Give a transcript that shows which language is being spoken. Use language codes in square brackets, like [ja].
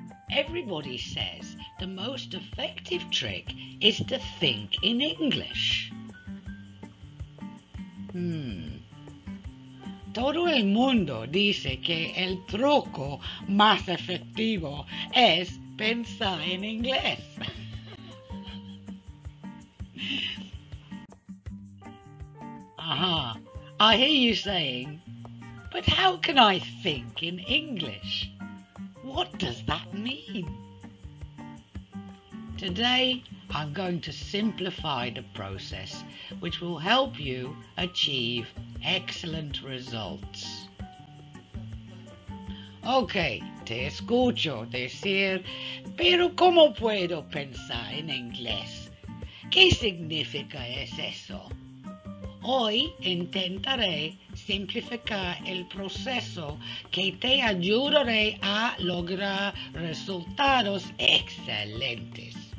[en] Everybody says the most effective trick is to think in English. [es] Todo el mundo dice que el truco más efectivo es pensar en inglés. [en] I hear you saying, but how can I think in English? What does that mean? Today, I'm going to simplify the process, which will help you achieve excellent results. [es] Ok, te escucho decir, pero ¿cómo puedo pensar en inglés? ¿Qué significa es eso? Hoy intentaré simplificar el proceso que te ayudará a lograr resultados excelentes.